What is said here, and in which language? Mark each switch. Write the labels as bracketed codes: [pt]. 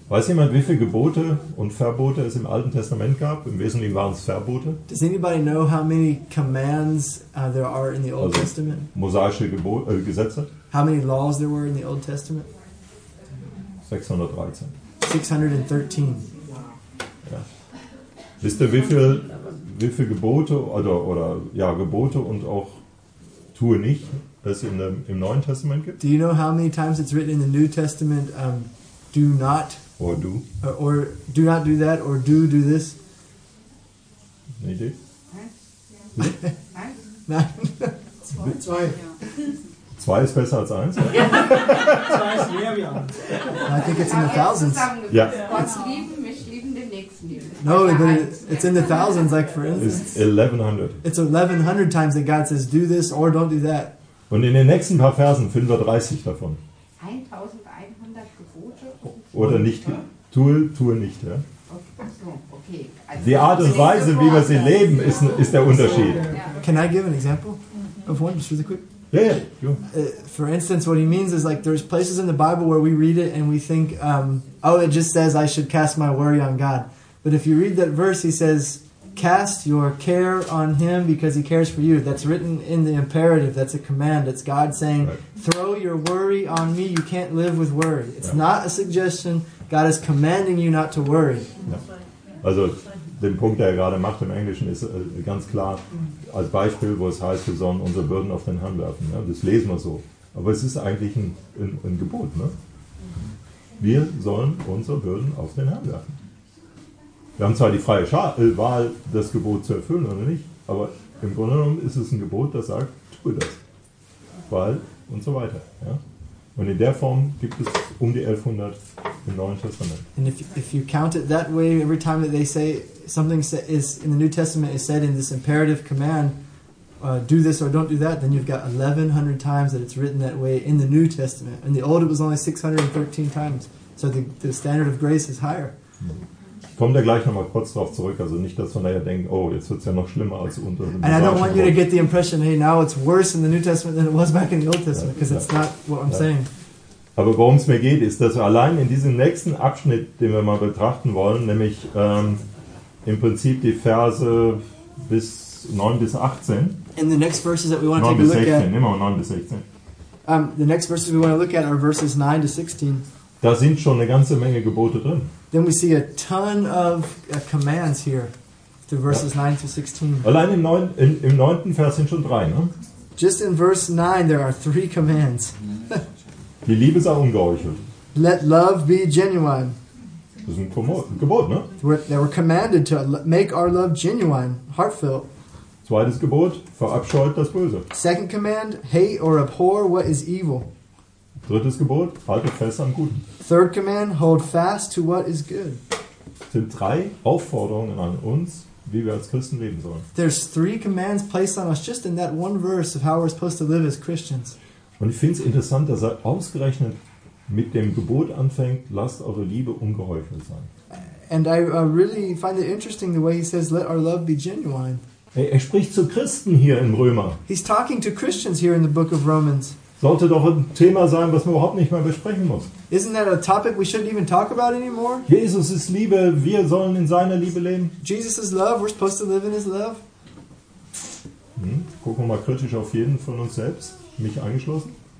[de] Weiß jemand, wie viele Gebote und Verbote es im Alten Testament gab? Im Wesentlichen waren es Verbote. [en] Does anybody know how many commands there are in the Old Testament? [de] Mosaische Gesetze? [en] How many laws there were in the Old Testament? 613. 613. [de] Ja. Wisst ihr, wie viel Gebote oder Gebote und auch tue nicht es im Neuen Testament gibt? [en] Do you know how many times it's written in the New Testament do not? Or do? Or do not do that, or do this? [de] Nee, die? Nein. Zwei. Zwei ist besser als eins. Zwei ist mehr wie eins. [en] I think it's in the thousands. [de] Ja. Gott lieben, mich lieben den Nächsten. [en] No, but it's in the thousands, like for instance. It's 1100. It's 1100 times that God says, do this or don't do that. [de] Und in den nächsten paar Versen finden wir 30 davon. 1100 Gebote? Oder nicht. Tue nicht. Ja. [en] Okay. [de] Also die Art und Weise, wie wir sie leben, ist der Unterschied. [en] Can I give an example of one, just really quick? Yeah. For instance, what he means is like there's places in the Bible where we read it and we think, it just says I should cast my worry on God. But if you read that verse, he says, cast your care on him because he cares for you. That's written in the imperative. That's a command. It's God saying, throw your worry on me. You can't live with worry. It's not a suggestion. God is commanding you not to worry. Yeah. [de] Also den Punkt, der er gerade macht im Englischen, ist ganz klar als Beispiel, wo es heißt, wir sollen unsere Bürden auf den Herrn werfen. Ja, das lesen wir so. Aber es ist eigentlich ein Gebot. Ne? Wir sollen unsere Bürden auf den Herrn werfen. Wir haben zwar die freie Wahl, das Gebot zu erfüllen oder nicht, aber im Grunde genommen ist es ein Gebot, das sagt, tue das. Weil und so weiter. Ja? Und in der Form gibt es um die 1100 im Neuen Testament. [en] And if you count it that way, every time that they say something is in the New Testament is said in this imperative command, do this or don't do that, then you've got 1100 times that it's written that way in the New Testament. In the Old it was only 613 times. So the standard of grace is higher. [de] Ich komme da gleich nochmal kurz drauf zurück. Also nicht, dass wir nachher denken, oh, jetzt wird es ja noch schlimmer als unter dem. [en] And I don't want you to get the impression, hey, now it's worse in the New Testament than it was back in the Old Testament, because it's not what I'm saying. [de] Aber worum es mir geht, ist, dass wir allein in diesem nächsten Abschnitt, den wir mal betrachten wollen, nämlich im Prinzip die Verse bis 9 bis 18. [en] In the next verses that we want to take a look at. [de] Nehmen wir mal 9 bis 16. [en] The next verses we want to look at are verses 9 to 16. [de] Da sind schon eine ganze Menge Gebote drin. [en] Then we see a ton of commands here, to verses 9 to 16. [de] Allein im 9. Vers sind schon drei, ne? [en] Just in verse 9 there are three commands. [de] Die Liebe sei ungeheuchelt. [en] Let love be genuine. [de] Das ist ein Gebot, ne? [en] They were commanded to make our love genuine, heartfelt. [de] Zweites Gebot, verabscheut das Böse. [en] Second command, hate or abhor what is evil. [de] Drittes Gebot, halte fest am Guten. [en] Third command, hold fast to what is good. [de] Es sind drei Aufforderungen an uns, wie wir als Christen leben sollen. [en] There's three commands placed on us just in that one verse of how we're supposed to live as Christians. [de] Und ich finde es interessant, dass er ausgerechnet mit dem Gebot anfängt, lasst eure Liebe ungeheuchelt sein. [en] And I really find it interesting the way he says, let our love be genuine. [de] Er spricht zu Christen hier im Römer. [en] He's talking to Christians here in the book of Romans. [de] Sollte doch ein Thema sein, was man überhaupt nicht mehr besprechen muss. [en] Isn't that a topic we shouldn't even talk about anymore? [de] Jesus ist Liebe, wir sollen in seiner Liebe leben. [en] Jesus is love, we're supposed to live in his love. [de] Gucken wir mal kritisch auf jeden von uns selbst, mich eingeschlossen.